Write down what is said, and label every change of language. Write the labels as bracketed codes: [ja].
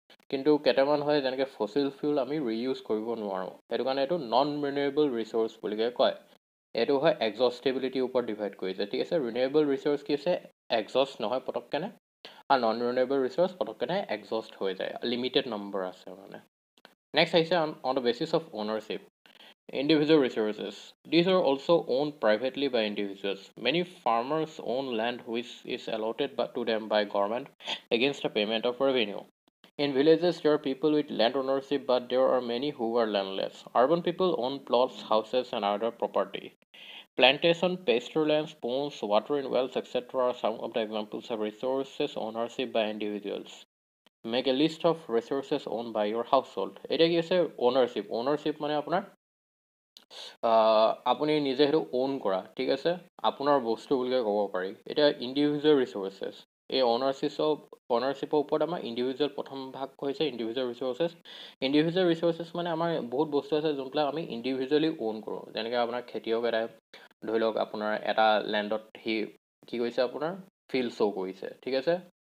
[as] কিন্তু কেইটামান হয় যেনেকৈ ফচিল ফিউল আমি ৰিইউজ কৰিব নোৱাৰোঁ সেইটো কাৰণে এইটো নন ৰিনিউবল ৰিচোৰ্চ বুলিকে কয় এইটো হয় এক্সষ্টেবিলিটিৰ ওপৰত ডিভাইড কৰিছে ঠিক আছে ৰিনিউবল ৰিচোৰ্চ কি আছে এক্সষ্ট নহয় পটককেনে আৰু নন ৰিনিউবল ৰিচোৰ্চ পটককেনে এক্সষ্ট হৈ যায় লিমিটেড নম্বৰ আছে মানে নেক্সট আহিছে [en] On the basis of ownership individual resources these are also' owned privately by individuals many farmers own land which is allotted বা to them by government against the payment of revenue In villages, there are people with land ownership, but there are many who are landless. Urban people own plots, houses, and other property. Plantation, pasture lands, ponds, water in wells, etc. are some of the examples of resources ownership by individuals. Make a list of resources owned by your household. It is ownership. Ownership means your own. You own it. You can say your own. You can say individual resources. [as] এই অ'নাৰশ্বিপৰ ওপৰত আমাৰ individual প্ৰথম ভাগ হৈছে individual resources individual resources মানে আমাৰ বহুত বস্তু আছে যোনবিলাক আমি ইণ্ডিভিজুৱেলি অ'ন কৰোঁ যেনেকৈ আপোনাৰ খেতিয়ক এটাই ধৰি লওক আপোনাৰ এটা লেণ্ডত সি কি কৰিছে আপোনাৰ ফিল্ড শ্ব' কৰিছে ঠিক আছে